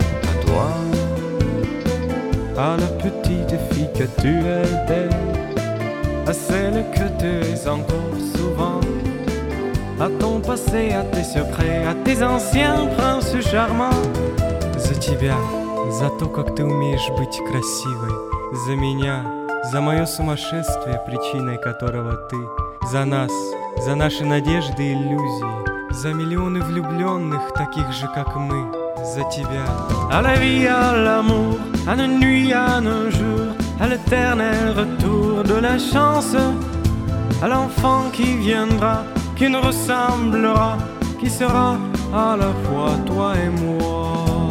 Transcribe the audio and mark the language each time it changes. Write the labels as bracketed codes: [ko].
[fr] À toi, à la petite fille que tu étais, à celle que tu es encore souvent, à ton passé, à tes secrets, à tes anciens princes charmants. Je t'y viens. [ru] За то, как ты умеешь быть красивой. За меня, за мое сумасшествие, причиной которого ты. За нас, за наши надежды и иллюзии. За миллионы влюбленных, таких же, как мы. За тебя. [fr] À la vie, à l'amour, à nos nuits, à nos jours, à l'éternel retour de la chance, à l'enfant qui viendra, qui nous ressemblera, qui sera à la fois toi et moi.